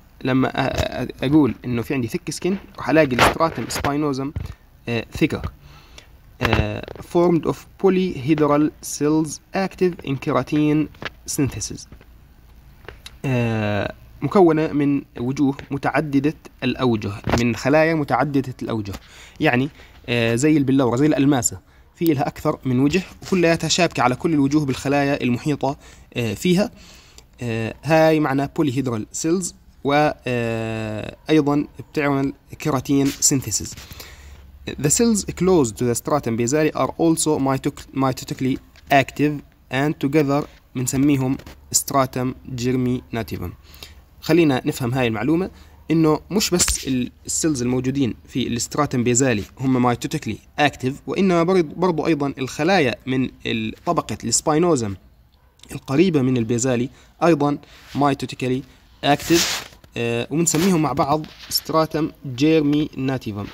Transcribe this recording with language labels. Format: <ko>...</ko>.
<ar>لما أقول إنه في عندي thick skin رح ألاقي الستراتم سباينوزم thicker،</ar> <en>formed of polyhedral cells active in keratin synthesis،</en> <ar>مكونة من وجوه متعددة الأوجه، من خلايا متعددة الأوجه، يعني زي البلورة زي الألماسة في لها أكثر من وجه وكلها شابكة على كل الوجوه بالخلايا المحيطة فيها. هاي معنى polyhedral cells، وأيضا بتعمل كيراتين synthesis.</ar> <en>The cells close to the stratum basale are also mitotically active and together</en> <ar>بنسميهم</ar> <en>stratum germi nativum.</en> <ar>خلينا نفهم هاي المعلومة إنه مش بس السيلز الموجودين في الستراتم بيزالي هم مايتوتيكلي أكتيف، وإنما برضو أيضا الخلايا من طبقة السباينوزم القريبة من البيزالي أيضا مايتوتيكلي أكتيف، ومنسميهم مع بعض ستراتم جيرمي ناتيفم.</ar>